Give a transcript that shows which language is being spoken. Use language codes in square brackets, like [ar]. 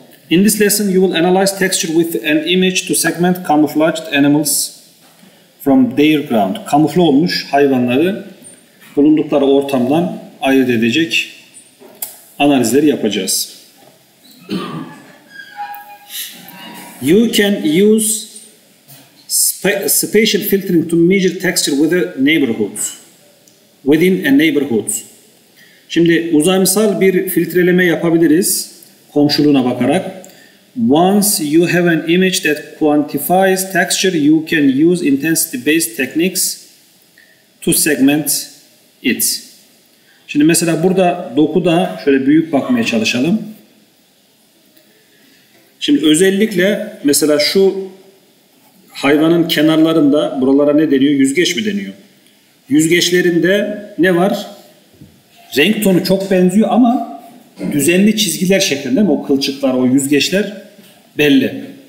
[en] In this lesson you will analyze texture with an image to segment camouflaged animals from their ground. [tr] Kamufle olmuş hayvanları bulundukları ortamdan ayırt edecek analizleri yapacağız. [en] You can use spatial filtering to measure texture with a neighborhood, within a neighborhood. [tr] Şimdi uzamsal bir filtreleme yapabiliriz komşuluğuna bakarak. [en] Once you have an image that quantifies texture, you can use intensity-based techniques to segment it. [tr] Şimdi mesela burada dokuda şöyle büyük bakmaya çalışalım. Şimdi özellikle mesela şu hayvanın kenarlarında buralara ne deniyor? Yüzgeç mi deniyor? Yüzgeçlerinde ne var? Renk tonu çok benziyor ama düzenli çizgiler şeklinde mi? O kılçıklar, o yüzgeçler belli.